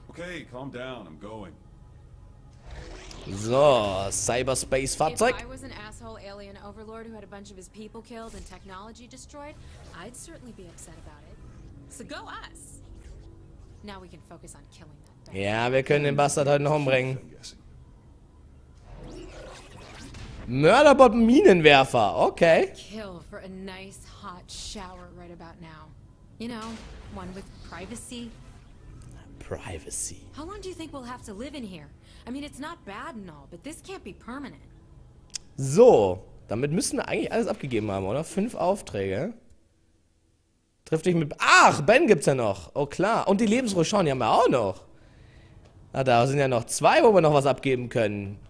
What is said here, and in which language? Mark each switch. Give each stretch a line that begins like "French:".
English: Okay, calm down, I'm going.
German: So, Cyberspace Fahrzeug.
English: If I was an asshole alien overlord who had a bunch of his people killed and technology destroyed, I'd certainly be upset about it. So go us. Now we can focus on killing that bastard.
German: Ja, wir können den Bastard heute noch umbringen. Mörderbot Minenwerfer, okay.
English: Kill for a nice hot shower right about now. You know, one with privacy. Privacy. How long do you think we'll have to live in here? I mean, it's not bad and all, but this can't be permanent.
German: So, damit müssen wir eigentlich alles abgegeben haben, oder? 5 Aufträge. Trifft dich mit. Ach, Ben gibt's ja noch. Oh klar. Und die Lebensrochon, die haben wir auch noch. Ah, da sind ja noch 2, wo wir noch was abgeben können.